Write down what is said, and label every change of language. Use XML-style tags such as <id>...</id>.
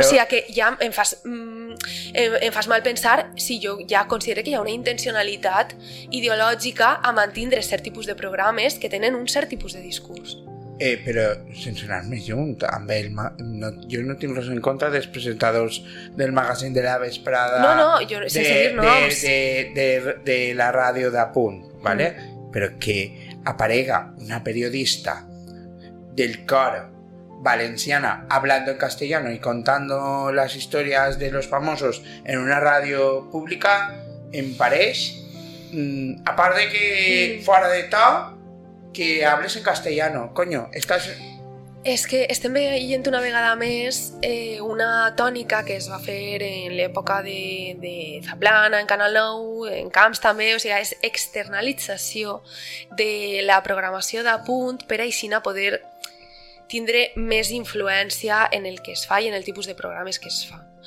<ca>O sigui, que ja em fas mal pensar si jo ja considero que hi ha una intencionalitat ideològica a mantindre cert tipus de programes que tenen un cert tipus de discurs. Però sense anar més junt, amb ell, jo no tinc res en contra dels presentadors del magazín de la vesprada... No, jo, sense dir noms... De la ràdio d'Apunt, ¿vale? Mm. Però que aparega una periodista del cor valenciana</ca> <es>hablando en castellano y contando las historias de los famosos en una radio pública en París, aparte de que fuera de todo, que hables en castellano, coño, estás...</es> <ca>És que estem veient una vegada més una tònica que es va fer en l'època de Zaplana, en Canal 9, en Camps també, o sigui, és externalització de la programació d'Apunt per aixina poder tindre més influència en el que es fa i en el tipus de programes que es fa.</ca>